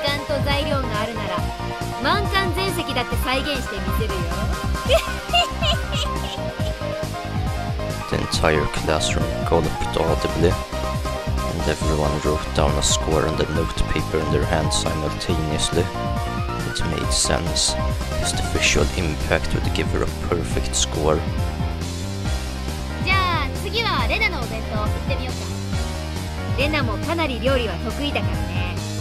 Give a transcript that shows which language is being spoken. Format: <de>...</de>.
<ja>純日本風な料理をミヨンが作れるわけがない。兄ちゃん、このくらいは本気になれば作れるよ。めったに本気にならないけど。おじさんを誰だと思ってるわけ。時間と材料があるなら 満館全席だって再現してみせるよ。</ja> <en>The entire classroom gulped audibly, and everyone wrote down a score on the notepaper in their hands simultaneously. It made sense, just the visual impact would give her a perfect score.</en> <ja>じゃあ次はレナのお弁当を送ってみようか。レナもかなり料理は得意だからね。</ja>